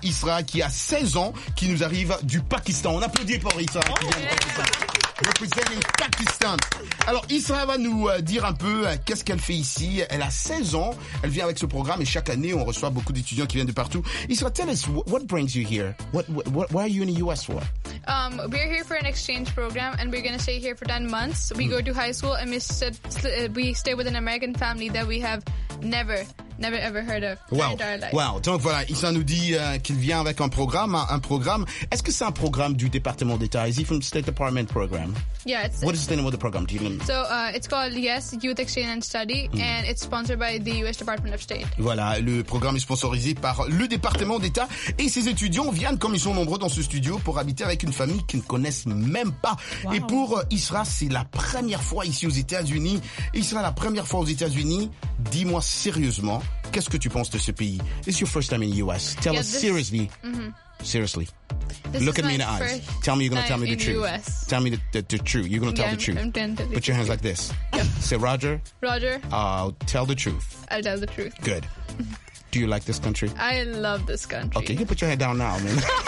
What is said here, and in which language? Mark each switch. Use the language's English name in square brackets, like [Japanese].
[French] Isra qui a 16 ans, qui nous arrive du Pakistan. On applaudit pour Isra. Oh, qui vient du Pakistan. [English] Representing Pakistan. [French] Alors, Isra va nous dire un peu qu'est-ce qu'elle fait ici. Elle a 16 ans. Elle vient avec ce programme et chaque année, on reçoit beaucoup d'étudiants qui viennent de partout. [English] Isra, tell us, what brings you here? Why are you in the US for? We're here for an exchange program and we're going to stay here for 10 months. We go to high school and we stay with an American family that we have never ever heard of in our life. Wow. [French] Donc voilà, Isra nous dit qu'il vient avec un programme. Est-ce que c'est un programme du département d'État? [English] Is it from State Department program? Yeah, is the name of the program? Do you know? So, it's called Yes Youth Exchange and Study and it's sponsored by the US Department of State. [French] Voilà, le programme est sponsorisé par le département d'État et ses étudiants viennent comme ils sont nombreux dans ce studio pour habiter avec une famille qu'ils ne connaissent même pas. [English] Wow. [French] Et pour Isra, c'est la première fois ici aux États-Unis. Isra, la première fois aux États-Unis, dis-moi sérieusement, qu'est-ce que tu penses de ce pays? [English] It's your first time in the US. Tell us seriously. Seriously. Look at me in the eyes. Tell me you're going to tell me the truth. Tell me the truth. You're going to tell the truth. Put your hands like this. Say, Roger. Roger. I'll tell the truth. Good. Do you like this country? I love this country. Okay, you can put your head down now, man.